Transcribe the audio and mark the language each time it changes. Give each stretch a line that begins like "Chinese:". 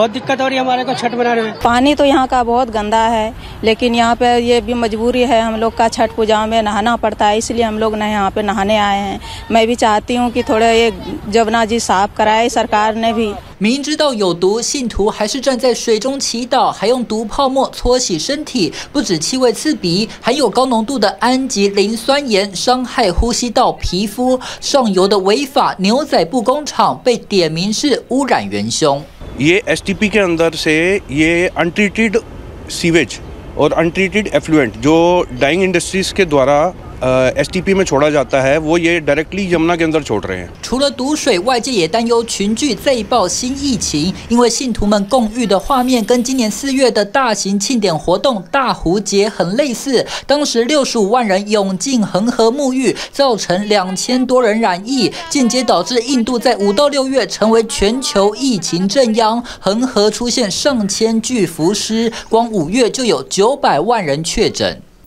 Hindi: पानी तो यहाँ का बहुत गंदा है, लेकिन यहाँ पे ये भी मजबूरी है, हम लोग का छठ पूजा में नहाना पड़ता है, इसलिए हम लोग यहाँ पे नहाने आए हैं। मैं भी चाहती हूँ कि थोड़ा ये जबना जी साफ कराए सरकार ने भी।
Chinese: 明知道有毒，信徒还是站在水中祈祷，还用毒泡沫搓洗身体，不止气味刺鼻，含有高浓度的氨及磷酸盐，伤害呼吸道、皮肤。上游的违法牛仔布工厂被点名是污染元凶。
Hindi: ये STP के अंदर से ये
English: untreated sewage
Hindi: और
English: untreated effluent
Hindi: जो dyeing industries के द्वारा STP में छोड़ा जाता है, वो ये directly यमुना के अंदर छोड़ रहे हैं।
Chinese: 除了毒水，外界也担忧群聚再爆新疫情，因为信徒们共浴的画面跟今年四月的大型庆典活动大湖节很类似，当时65万人涌进恒河沐浴，造成2000多人染疫，间接导致印度在5到6月成为全球疫情正央，恒河出现上千具浮尸，光5月就有900万人确诊。